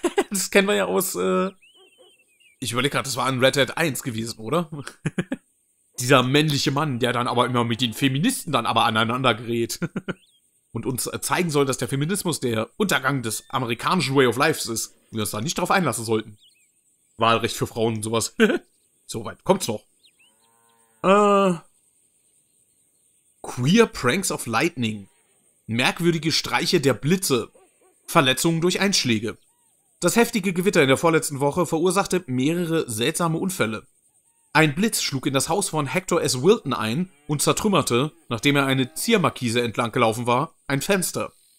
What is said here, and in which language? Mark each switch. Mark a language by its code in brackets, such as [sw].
[de] Das kennen wir ja aus, ich überlege gerade, das war in Red Dead 1 gewesen, oder? Dieser männliche Mann, der dann aber immer mit den Feministen dann aber aneinander gerät. Und uns zeigen soll, dass der Feminismus der Untergang des amerikanischen Way of Life ist. Wir uns da nicht drauf einlassen sollten. Wahlrecht für Frauen und sowas. So weit kommt's noch. [en] Queer Pranks of Lightning. [de] Merkwürdige Streiche der Blitze. Verletzungen durch Einschläge. Das heftige Gewitter in der vorletzten Woche verursachte mehrere seltsame Unfälle. Ein Blitz schlug in das Haus von Hector S. Wilton ein und zertrümmerte, nachdem er eine Ziermarkise entlang gelaufen war, ein Fenster.